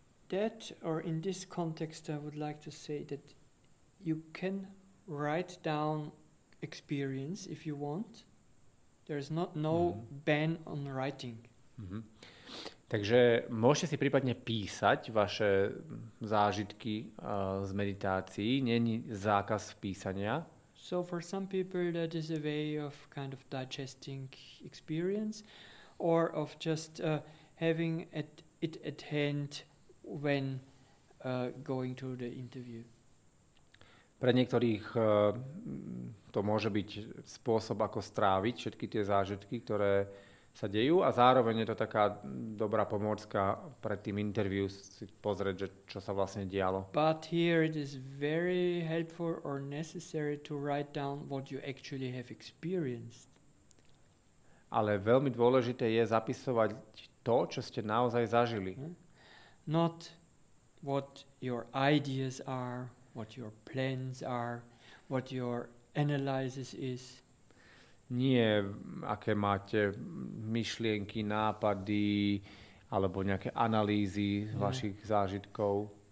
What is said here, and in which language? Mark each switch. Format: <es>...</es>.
<en>That or in this context I would like to say that you can write down experience if you want. There is not no ban on writing. Mm-hmm.</en> <sk>Takže môžete si prípadne písať vaše zážitky z meditácií. Není zákaz písania.</sk> <en>So for some people that is a way of kind of digesting experience or of just having it at hand when going to the interview.</en> <sk>Pre niektorých to môže byť spôsob, ako stráviť všetky tie zážitky, ktoré sa dejú a zároveň je to taká dobrá pomôcka pred tým interviu si pozrieť, že čo sa vlastne dialo.</sk> <en>But here it is very helpful or necessary to write down what you actually have experienced.</en> <sk>Ale veľmi dôležité je zapisovať to, čo ste naozaj zažili.</sk> <en>Not what your ideas are, what your plans are, what your analysis is.</en> <sk>Nie, aké máte myšlienky, nápady alebo nejaké analýzy vašich zážitkov.</sk>